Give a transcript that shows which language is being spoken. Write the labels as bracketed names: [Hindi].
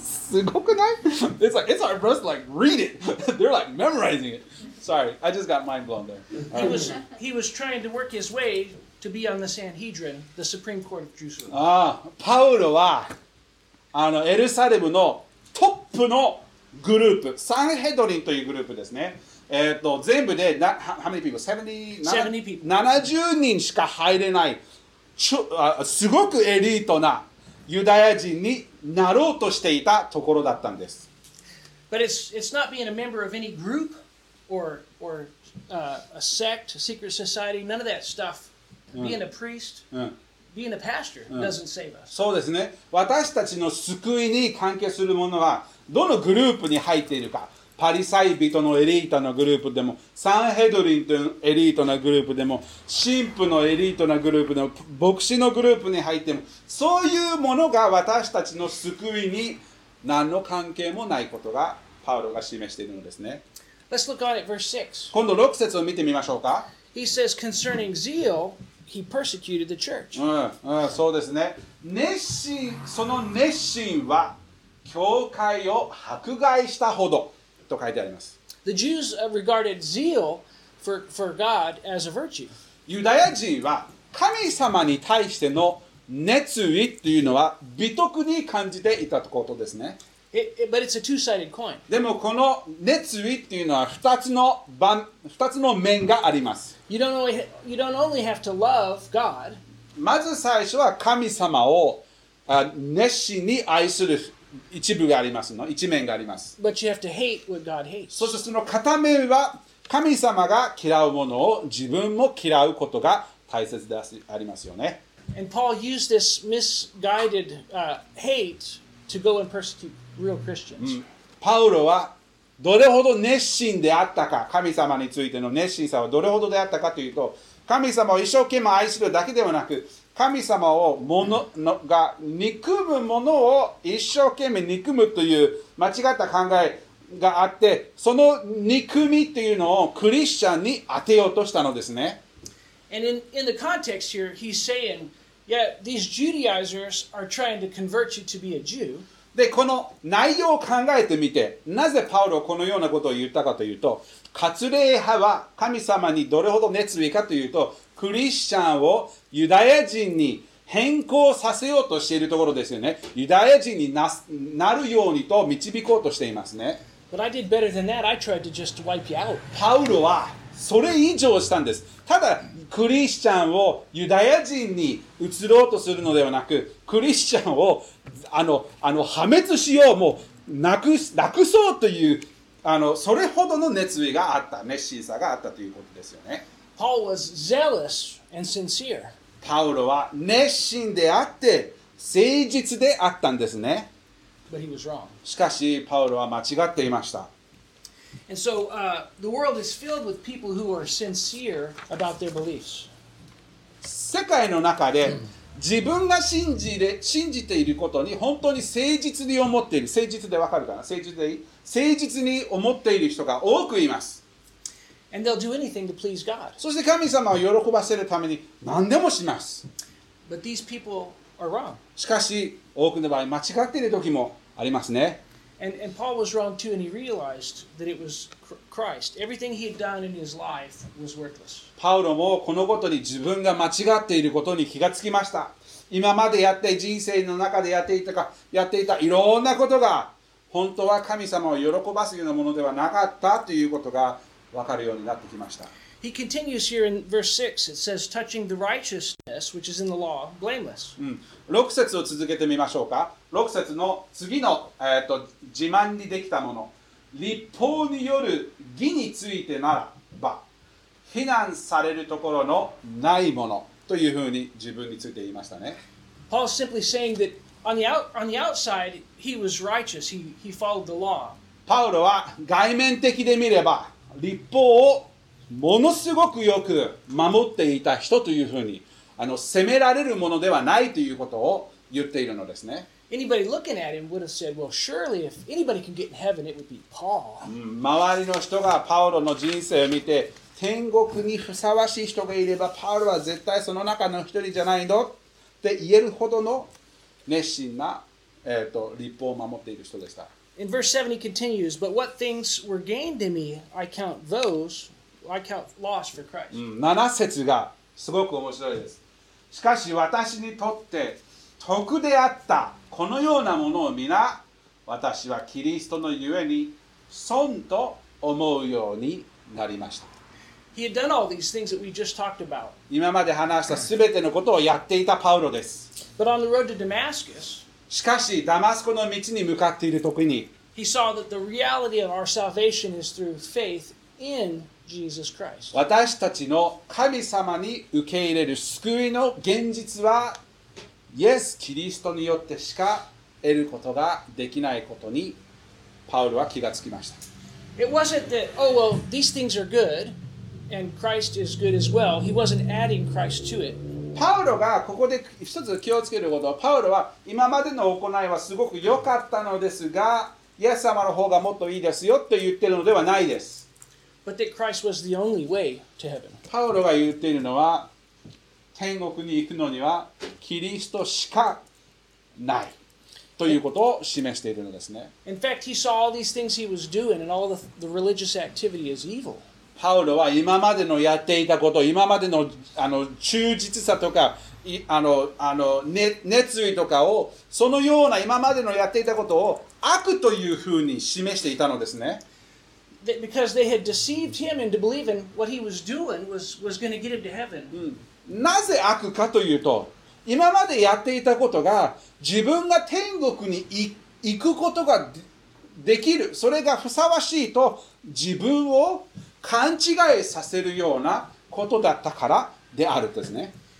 [Japanese] すごくない？ [English] It's like, it's our first like, read it. They're like, memorizing it. Sorry, I just got mind blown there. He was trying to work his way to be on the Sanhedrin, the Supreme Court of Jerusalem. [Japanese] パウロはエルサレムのトップのグループ、サンヘドリンというグループですね。全部で [English] how many people? [Japanese] 70人しか入れないすごくエリートなユダヤ人になろうとしていたところだったんです。 [English] But it's not being a member of any group or a sect, a secret society, none of that stuff. Being a priest, being a pastor doesn't save us. [Japanese] そうですね。私たちの救いに関係するものはどのグループに入っているか。パリサイ人のエリートのグループでも、サンヘドリンのエリートのグループでも、神父のエリートのグループでも、牧師のグループに入っても、そういうものが私たちの救いに何の関係もないことがパウロが示しているのですね。 [English] Let's look on at verse 6. [Japanese] 今度6節を見てみましょうか。 [English] He says, concerning zeal, he persecuted the church. [Japanese] そうですね。熱心、その熱心は教会を迫害したほどと書いてあります。 [English] The Jews regarded zeal for God as a virtue. [Japanese] ユダヤ人は神様に対しての熱意というのは美徳に感じていたことですね。 [English] But it's a two-sided coin. [Japanese] でもこの熱意というのは二つの面があります。 [English] You don't only have to love God. [Japanese] まず最初は神様を熱心に愛する一部がありますの、一面があります。 [English] But you have to hate what God hates. [Japanese] そしてその片面は神様が嫌うものを自分も嫌うことが大切でありますよね。 [English] And Paul used this misguided hate to go and persecute real Christians. [Japanese] パウロはどれほど熱心であったか、神様についての熱心さはどれほどであったかというと、神様を一生懸命愛するだけではなく、神様をものが憎むものを一生懸命憎むという間違った考えがあって、その憎みというのをクリスチャンに当てようとしたのですね。 [English] And in the context here, he's saying, yeah, these Judaizers are trying to convert you to be a Jew. [Japanese] で、この内容を考えてみて、なぜパウロはこのようなことを言ったかというと、割礼派は神様にどれほど熱意かというと、クリスチャンをユダヤ人に変更させようとしているところですよね。ユダヤ人に なるようにと導こうとしていますね。 [English] But I did better than that. I tried to just wipe you out. [Japanese] パウロはそれ以上したんです。ただクリスチャンをユダヤ人に移ろうとするのではなく、クリスチャンをあの破滅しよう、もうなくそうというそれほどの熱意があった、熱心さがあったということですよね。 [English] Paul was zealous and sincere. [Japanese] パウロは熱心であって誠実であったんですね。 [English] But he was wrong. [Japanese] しかしパウロは間違っていました。 [English] And so, the world is filled with people who are sincere about their beliefs. [Japanese] 世界の中で自分が信じていることに本当に誠実に思っている、誠実でわかるかな、誠実でいい、誠実に思っている人が多くいます。 [English] And they'll do anything to please God. [Japanese] そして神様を喜ばせるために何でもします。 [English] But these people are wrong. [Japanese] しかし多くの場合間違っている時もありますね。 [English] And Paul was wrong too, and he realized that it was Christ. Everything he had done in his life was worthless. [Japanese] パウロもこのことに自分が間違っていることに気がつきました。今までやって人生の中でやっていたいろんなことが本当は神様を喜ばすようなものではなかったということが分かるようになってきました。 [English] He continues here in verse 6. It says, touching the righteousness which is in the law, blameless. [Japanese] 6節を続けてみましょうか。6節の次の、自慢にできたもの。立法による義についてならば、非難されるところのないものというふうに自分について言いましたね。 [English] Paul's simply saying that on the outside, he was righteous. He followed the law. [Japanese] パウロは外面的で見れば、立法をものすごくよく守っていた人というふうに責められるものではないということを言っているのですね。 [English] Anybody looking at him would have said, well, surely if anybody can get in heaven, it would be Paul. [Japanese] 周りの人がパウロの人生を見て、天国にふさわしい人がいれば、パウロは絶対その中の一人じゃないのって言えるほどの熱心な、立法を守っている人でした。 [English] In verse 7 he continues, but what things were gained to me, I count those. I count loss for Christ. [Japanese] 7節がすごく面白いです。しかし私にとって得であったこのようなものを皆、私はキリストのゆえに損と思うようになりました。 [English] He had done all these things that we just talked about. [Japanese] 今まで話したすべてのことをやっていたパウロです。 [English] But on the road to Damascus, [Japanese] しかしダマスコの道に向かっている時に、 [English] He saw that the reality of our salvation is through faith in Jesus Christ. [Japanese] 私たちの神様に受け入れる救いの現実はイエス・キリストによってしか得ることができないことにパウロは気がつきました。 [English] It wasn't that, oh well, these things are good and Christ is good as well. He wasn't adding Christ to it. [Japanese] パウロがここで一つ気をつけることは、パウロは今までの行いはすごく良かったのですが、イエス様の方がもっといいですよと言っているのではないです。 [English] But that Christ was the only way to heaven. [Japanese] パウロが言っているのは、天国に行くのにはキリストしかないということを示しているのですね。 [English] In fact, he saw all these things he was doing and all the religious activity as evil. [Japanese] パウロは今までのやっていたこと、今まで の, あの忠実さとか、あの 熱意とかを、そのような今までのやっていたことを悪というふうに示していたのですね。 [English] Because they had deceived him into believing what he was doing was going to get him to heaven. [Japanese] なぜ悪かというと、今までやっていたことが自分が天国に行くことができる、それがふさわしいと自分を勘違いさせるようなことだったからであるんですね。